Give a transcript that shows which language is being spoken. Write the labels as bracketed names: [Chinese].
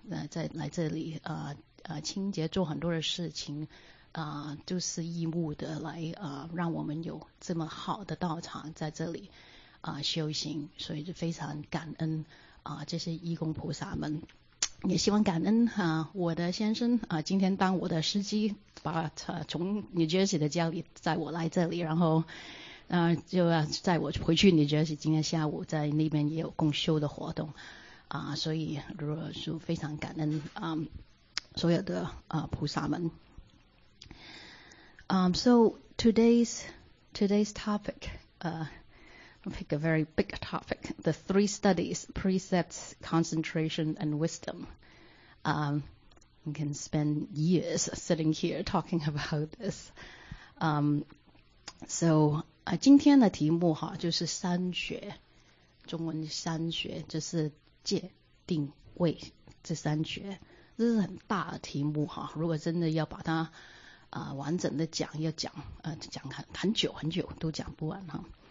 [Chinese] 在来这里清洁做很多的事情就是义务的来让我们有这么好的道场在这里修行，所以就非常感恩这些义工菩萨们，也希望感恩我的先生今天当我的司机，把从 New Jersey 的家里载我来这里，然后就要载我回去 New Jersey， 今天下午在那边也有共修的活动所以就非常感恩所有的菩萨们。 [English] So today's topic, I'll pick a very big topic, the three studies, precepts, concentration, and wisdom. You can spend years sitting here talking about this. [Chinese] So 今天的题目哈就是三学，中文三学就是戒、定、慧这三学，这是很大的题目哈。如果真的要把它完整的讲，要讲讲很久很久都讲不完哈。